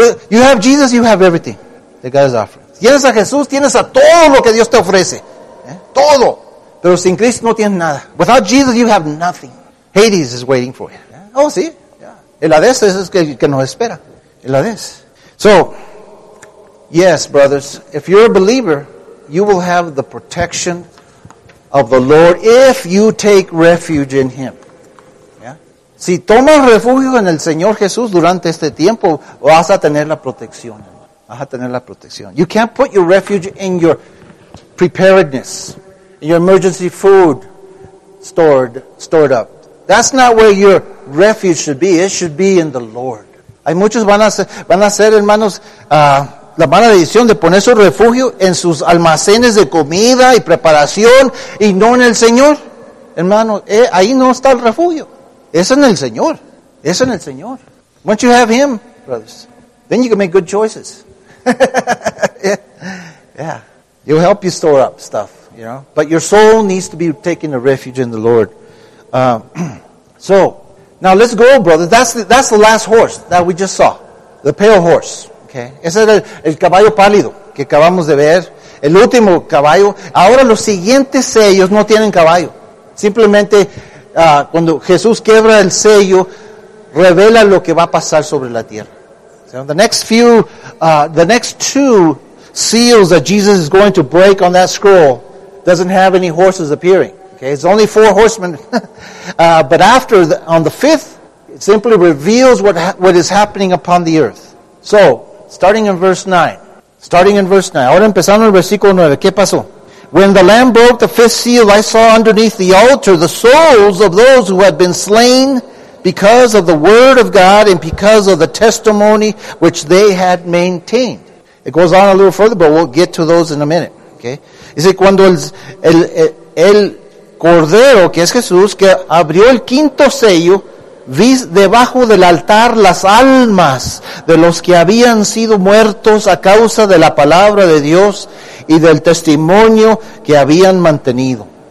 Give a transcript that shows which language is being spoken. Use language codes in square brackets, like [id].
[en] You have Jesus, you have everything that God is offering. [es] Tienes a Jesús, tienes a todo lo que Dios te ofrece. Todo. Pero sin Cristo no tienes nada. [en] Without Jesus, you have nothing. Hades is waiting for you. Yeah. Oh, sí. [es] Yeah. El Hades es que nos espera. El Hades. [en] So, yes, brothers, if you're a believer, you will have the protection of the Lord if you take refuge in Him. Yeah. [es] Si tomas refugio en el Señor Jesús durante este tiempo, vas a tener la protección. Vas a tener la protección. [en] You can't put your refuge in your preparedness, in your emergency food stored up. That's not where your refuge should be. It should be in the Lord. [es] Hay muchos van a hacer, hermanos, la mala decisión de poner su refugio en sus almacenes de comida y preparación y no en el Señor. Hermano, ahí no está el refugio. Es en el Señor. Es en el Señor. [en] Once you have Him, brothers, then you can make good choices. Yeah. He'll help you store up stuff, you know. But your soul needs to be taking a refuge in the Lord. Now let's go, brother. That's the last horse that we just saw. The pale horse. Okay. [es] Ese es el caballo pálido que acabamos de ver. El último caballo. Ahora los siguientes sellos no tienen caballo. Simplemente, cuando Jesús quiebra el sello, revela lo que va a pasar sobre la tierra. [en] So the next two seals that Jesus is going to break on that scroll doesn't have any horses appearing. Okay, it's only four horsemen. But after, on the fifth, it simply reveals what is happening upon the earth. So, starting in verse 9. [es] Ahora empezando en el versículo 9, ¿qué pasó? [en] When the Lamb broke the fifth seal, I saw underneath the altar the souls of those who had been slain because of the word of God and because of the testimony which they had maintained. It goes on a little further, but we'll get to those in a minute. Okay? [es] Dice, cuando el Cordero, que es Jesús, que abrió el quinto sello, vi debajo del altar las almas de los que habían sido muertos a causa de la palabra de Dios y del testimonio que habían mantenido.